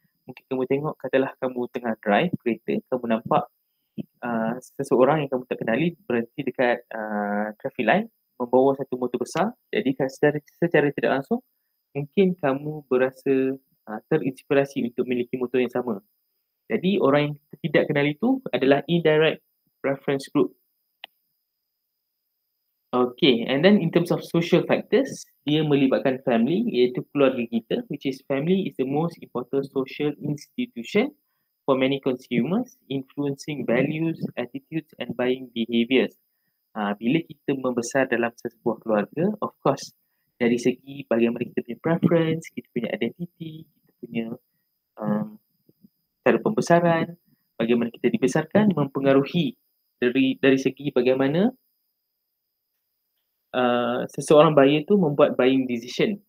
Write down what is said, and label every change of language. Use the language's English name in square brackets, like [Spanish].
[Malay] Mungkin kamu tengok, katalah kamu tengah drive kereta, kamu nampak seseorang yang kamu tak kenali berhenti dekat traffic line membawa satu motor besar. Jadi secara tidak langsung, mungkin kamu berasa terinspirasi untuk memiliki motor yang sama. Jadi orang yang tidak kenali itu adalah [English] indirect reference group. Okay, and then in terms of social factors, [Malay] dia melibatkan family, iaitu keluarga kita, [English] which is family is the most important social institution for many consumers, influencing values, attitudes and buying behaviours. [Malay] Bila kita membesar dalam sesebuah keluarga, of course, dari segi bagaimana kita punya preference, kita punya identity, kita punya cara pembesaran, bagaimana kita dibesarkan, mempengaruhi dari segi bagaimana seseorang buyer tu membuat [English] buying decision.